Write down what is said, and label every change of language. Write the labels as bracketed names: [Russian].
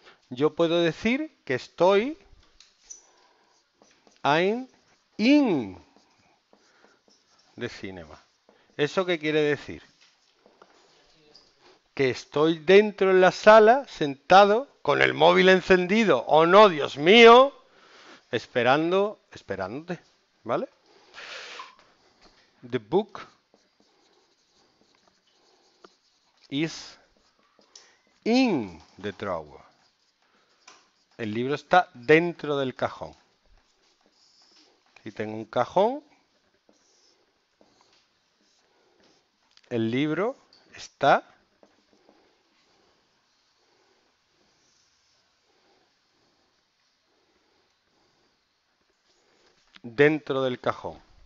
[Spanish] Yo puedo decir que estoy [English] I'm in the cinema. [Spanish] ¿Eso qué quiere decir? Que estoy dentro en la sala, sentado, con el móvil encendido, o no, Dios mío, esperando, esperándote, ¿vale? [English] The book is in the drawer. [Spanish] El libro está dentro del cajón. Si tengo un cajón, el libro está dentro del cajón.